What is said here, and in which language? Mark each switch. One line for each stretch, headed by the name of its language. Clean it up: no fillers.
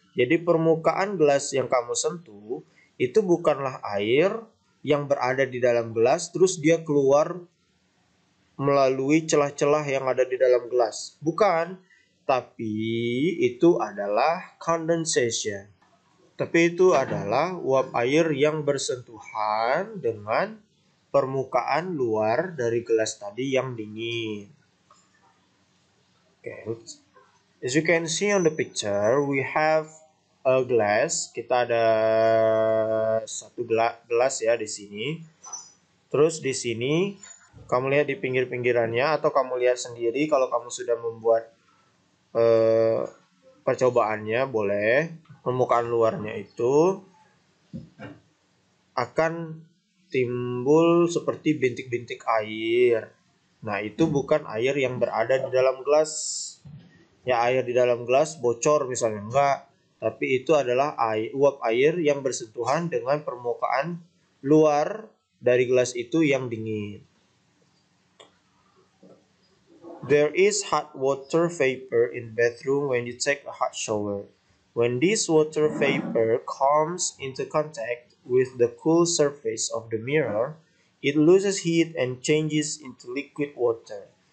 Indonesian: Jadi permukaan gelas yang kamu sentuh itu bukanlah air yang berada di dalam gelas terus dia keluar melalui celah-celah yang ada di dalam gelas. Bukan, tapi itu adalah condensation. Tapi itu adalah uap air yang bersentuhan dengan permukaan luar dari gelas tadi yang dingin. Okay.
English: As you can see on the picture, we have a glass.
Indonesian: Kita ada satu gelas ya di sini. Terus di sini, kamu lihat di pinggir-pinggirannya atau kamu lihat sendiri kalau kamu sudah membuat percobaannya, boleh. Permukaan luarnya itu akan timbul seperti bintik-bintik air. Nah, itu bukan air yang berada di dalam gelas. Ya, air di dalam gelas bocor misalnya. Enggak. Tapi itu adalah air, uap air yang bersentuhan dengan permukaan luar dari gelas itu yang dingin.
English: There is hot water vapor in the bathroom when you take a hot shower. When this water vapor comes into contact with the cool surface of the mirror, it loses heat and changes into liquid water.